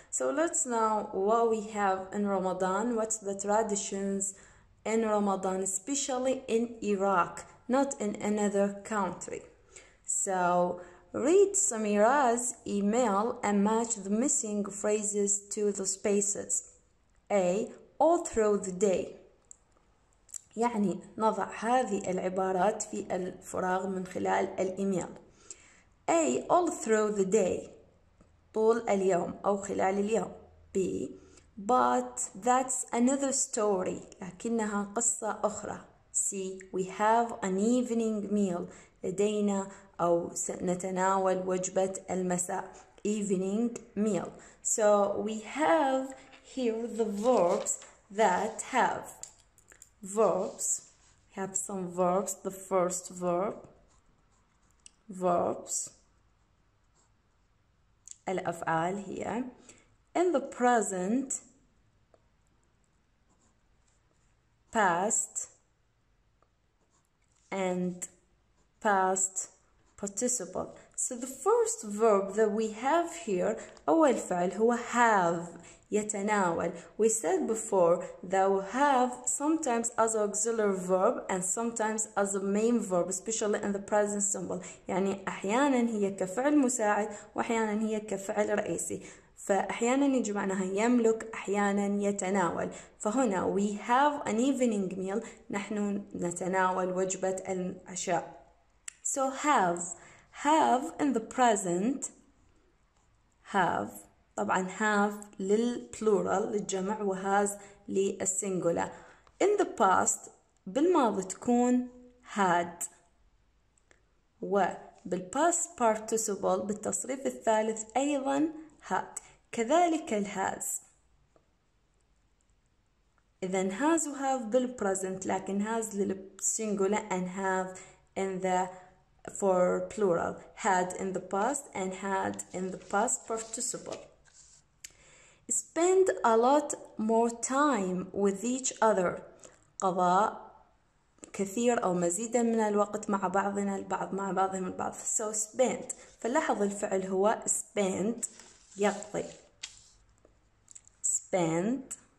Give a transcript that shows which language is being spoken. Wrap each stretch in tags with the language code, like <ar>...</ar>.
<en>So let's know what we have in Ramadan. What's the traditions in Ramadan, especially in Iraq, not in another country. So read Samira's email and match the missing phrases to the spaces. A. All through the day.</en> <ar>يعني نضع هذه العبارات في الفراغ من خلال الإيميل.</ar> <en>A. All through the day.</en> <ar>طول اليوم أو خلال اليوم.</ar> <en>B. But that's another story.</en> <ar>لكنها قصة أخرى.</ar> <en>C. We have an evening meal.</en> <ar>لدينا أو سنتناول وجبة المساء.</ar> <en>Evening meal. So we have here the verbs that have. Verbs. We have some verbs. The first verb. Verbs.</en> <ar>الأفعال هي</ar> <en>in the present, past, and past participle. So the first verb that we have here,</en> <ar>أول فعل هو</ar> <en>have,</en> <ar>يتناول.</ar> <en>We said before that we have sometimes as auxiliary verb and sometimes as a main verb, especially in the present simple.</en> <ar>يعني أحيانا هي كفعل مساعد وأحيانا هي كفعل رئيسي. فأحيانا يجي معناها يملك، أحيانا يتناول. فهنا</ar> <en>we have an evening meal,</en> <ar>نحن نتناول وجبة العشاء.</ar> <en>So have in the present, have, طبعا have للplural للجمع و has للsingular. In the past,</en> <ar>بالماضي تكون</ar> <en>had.</en> <ar>و بالpast participle بالتصريف الثالث أيضا had. كذلك has.</ar> <en>إذا has و have بالpresent لكن has للsingular and have in the for plural, had in the past and had in the past participle. Spend a lot more time with each other.</en> <ar>قضاء كثير أو مزيدا من الوقت مع بعضنا البعض، مع بعضهم البعض.</ar> <en>So spend.</en> <ar>فلاحظ الفعل هو spend، يقضي.</ar> <en>Spend.</en>